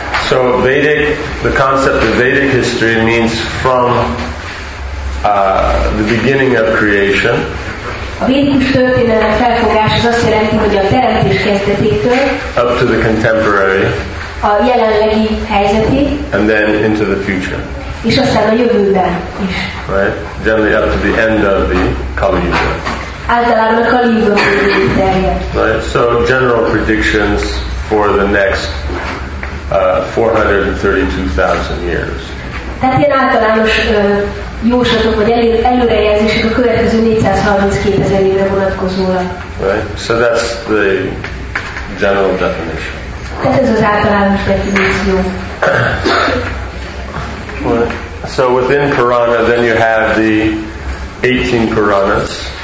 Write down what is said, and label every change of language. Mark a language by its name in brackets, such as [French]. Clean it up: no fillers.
[English] So the concept of Vedic history means from the beginning of creation. [Hungarian] A védikus történelem felfogás az azt jelenti, hogy a teremtés kezdetétől [English] up to the contemporary, [Hungarian] a jelenlegi helyzeti, [English] and then into the future, [Hungarian] és aztán a jövőben is. [English] Right? Generally up to the end of the Kali Yuga. [Hungarian] Általában a Kali Yuga terjed. [English] Right? So general predictions for the next 432,000 years. [Hungarian] Tehát ilyen általános jóslatok vagy előrejelzések a következő 432.000 évre vonatkozóan. [English] Right. So that's the general definition. [Hungarian] Tehát ez az általános definíció. [English] So within Purana, then you have the 18 Puranas.